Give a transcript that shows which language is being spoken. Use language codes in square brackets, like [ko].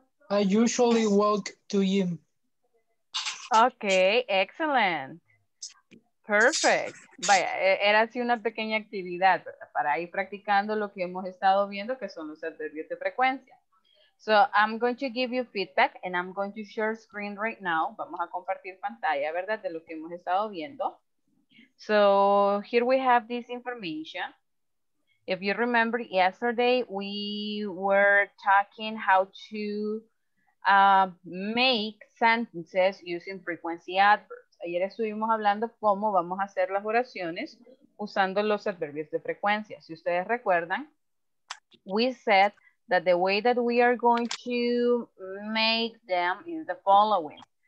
[en] I usually walk to gym. Okay, excellent. Perfect. [es] Vaya, era así una pequeña actividad para ir practicando lo que hemos estado viendo, que son los adverbios de frecuencia. [en] So, I'm going to give you feedback and I'm going to share screen right now. [es] Vamos a compartir pantalla, ¿verdad?, de lo que hemos estado viendo. [en] So, here we have this information. If you remember, yesterday we were talking how to make sentences using frequency adverbs. [es] Ayer estuvimos hablando cómo vamos a hacer las oraciones usando los adverbios de frecuencia. Si ustedes recuerdan, [en] we said that the way that we are going to make them is the following.